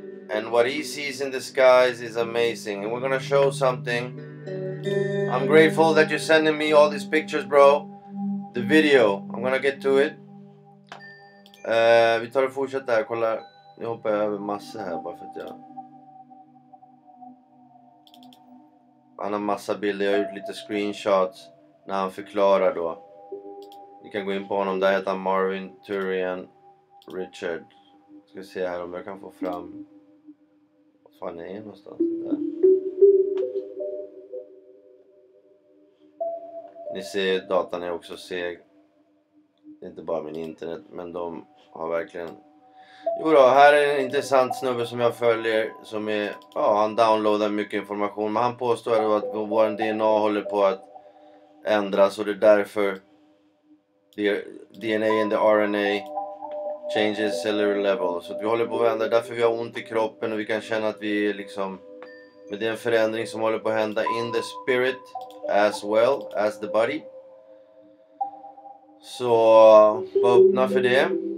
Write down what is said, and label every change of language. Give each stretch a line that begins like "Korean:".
English: And what he sees in the skies is amazing. And we're gonna show something. I'm grateful that you're sending me all these pictures, bro. The video. I'm gonna get to it.
Swedish: Vi tar och fortsätter här. Kolla. Nu hoppar jag över massa här bara för att jag... Han har massa bilder. Jag har gjort lite screenshots när han förklarar då. Ni kan gå in på honom. Där heter han Marvin Turian Richard. Ska se här om jag kan få fram... Vad fan är det någonstans? Där. Ni ser datan är också seg. Det är inte bara min internet. Men de har verkligen... Jo då, här är en intressant snubbe som jag följer som är, ja, han downloadar mycket information, men han påstår att vår DNA håller på att ändras och det är därför
English: the DNA and the RNA changes cellular level.
Swedish: Så att vi håller på att vända, därför vi har ont i kroppen och vi kan känna att vi är liksom, men det är en förändring som håller på att hända
English: in the spirit as well as the body.
Swedish: Så var öppna för det.